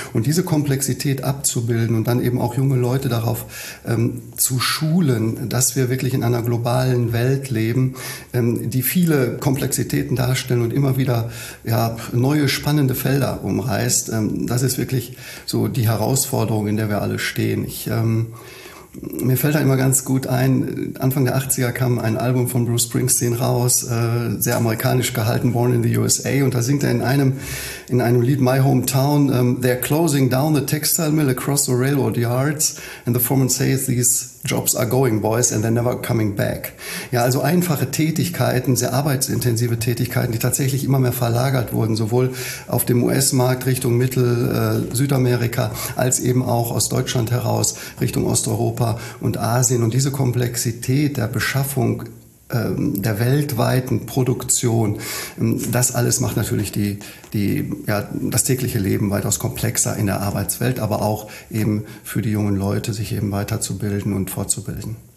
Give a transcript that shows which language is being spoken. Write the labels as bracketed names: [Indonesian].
[German] Und diese Komplexität abzubilden und dann eben auch junge Leute darauf zu schulen, dass wir wirklich in einer globalen Welt leben, die viele Komplexitäten darstellen und immer wieder ja, neue spannende Felder umreißt, das ist wirklich so die Herausforderung, in der wir alle stehen. Ich mir fällt da immer ganz gut ein, Anfang der 80er kam ein Album von Bruce Springsteen raus, sehr amerikanisch gehalten, Born in the USA. Und da singt er in einem Lied, [English] My Hometown, they're closing down the textile mill across the railroad yards and the foreman says these jobs are going, boys, and they're never coming back. [German] Ja, also einfache Tätigkeiten, sehr arbeitsintensive Tätigkeiten, die tatsächlich immer mehr verlagert wurden, sowohl auf dem US-Markt Richtung Mittel-Südamerika als eben auch aus Deutschland heraus Richtung Osteuropa und Asien. Und diese Komplexität der Beschaffung der weltweiten Produktion, das alles macht natürlich das tägliche Leben weitaus komplexer in der Arbeitswelt, aber auch eben für die jungen Leute, sich eben weiterzubilden und fortzubilden.